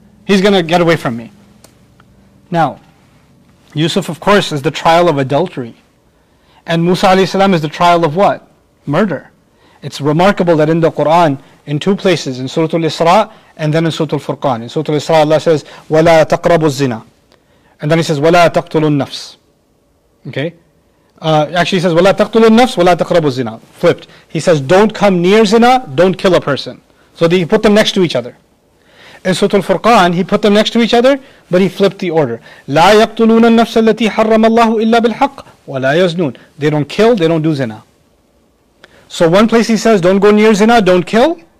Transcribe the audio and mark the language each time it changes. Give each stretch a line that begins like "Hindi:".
English: He's gonna get away from me. Now, Yusuf, of course, is the trial of adultery. And Musa alayhi salam is the trial of what? Murder. It's remarkable that in the Quran, in two places, in Surah Al-Isra and then in Surah Al-Furqan. In Surah Al-Isra, Allah says,
Arabic: وَلَا تَقْرَبُوا الزِّنَا.
English: And then he says,
Arabic: وَلَا تَقْتُلُوا النَّفْسِ.
English: Okay? Actually, he says,
Arabic: وَلَا تَقْتُلُوا النَّفْسِ وَلَا تَقْرَبُوا الزِّنَا.
English: Flipped. He says, don't come near zina, don't kill a person. So he put them next to each other. In Surah Al-Furqan, he put them next to each other, but he flipped the order.
Arabic: لَا يَقْتُلُونَ النَّفْسَ الَّتِي حَرَّمَ اللَّهُ إِلَّا بِالْحَقِّ وَلَا يَزْنُونَ.
English: They don't kill, they don't do zina. So one place he says, don't go near zina, don't kill.